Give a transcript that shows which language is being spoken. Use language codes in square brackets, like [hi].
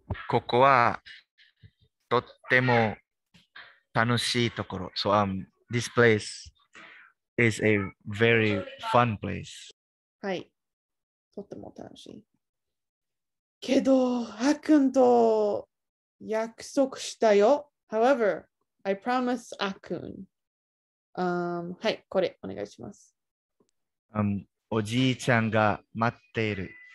[ja] ここはとっても楽しいところ。 [en] So, this place is a very fun place. [ja] はい。とっても楽しい。けど、ハクンと約束したよ。 [en] However, I promise アクン。 [ja] はい、これお願いします。おじいちゃんが待っている。